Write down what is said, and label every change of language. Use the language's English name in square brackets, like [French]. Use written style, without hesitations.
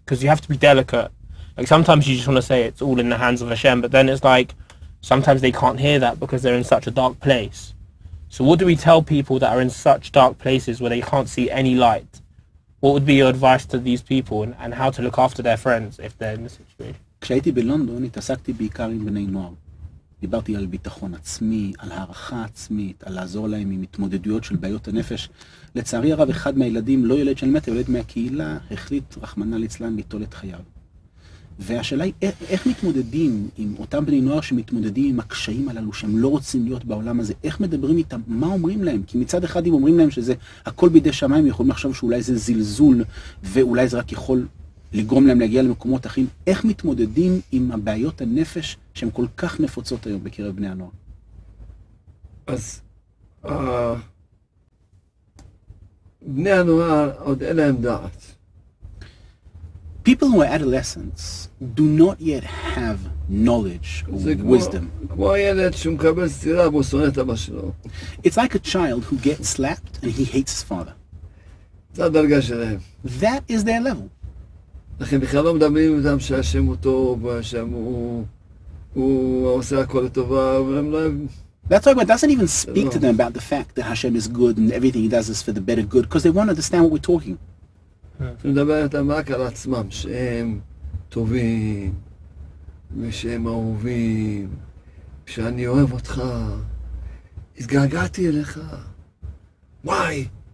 [English] Because you have to be delicate. Like, sometimes you just want to say it's all in the hands of Hashem, but then it's like, sometimes they can't hear that because they're in such a dark place. So what do we tell people that are in such dark places where they can't see any light? What would be your advice to these people, and how to look after their friends if they're in the situation? [Hebrew] כשהייתי בלונדון, התעסקתי בעיקר עם בני נוער. דיברתי על ביטחון עצמי, על הערכה עצמית, על לעזור להם עם התמודדויות של בעיות הנפש. לצערי הרב, אחד מהילדים, לא ילד של מטה, ילד מהקהילה, החליט רחמנא ליצלן ליטול את חייו. והשאלה היא, איך מתמודדים עם אותם בני נוער שמתמודדים עם הקשיים הללו, שהם לא רוצים להיות בעולם הזה? איך מדברים איתם? מה אומרים להם? כי מצד אחד, אם אומרים להם שזה הכל בידי שמיים, יכולים לחשוב שאולי זה זלזול, ואולי זה רק יכול לגרום להם להגיע למקומות אחרים. איך מתמודדים עם הבעיות הנפש שהן כל כך נפוצות היום בקרב בני הנוער? אז בני הנוער עוד אין להם דעת. [English] People who are adolescents do not yet have knowledge or wisdom. [Hebrew] כמו הילד שמקבל סטירה והוא שונא את אבא שלו. [English] It's like a child who gets slapped and he hates his father. [Hebrew] זה הדרגה שלהם. [English] That is their level. [Hebrew] לכן בכלל לא מדברים עם אדם שהשם הוא טוב, שהם הוא עושה הכל לטובה, אבל הם לא... [English] That's talking about, doesn't even speak to them about the fact that Hashem is good and everything he does is for the better good, because they won't understand what we're talking. [Hebrew] אני מדבר איתם רק על עצמם, שהם טובים, ושהם אהובים, שאני אוהב אותך, התגעגעתי אליך, וואי!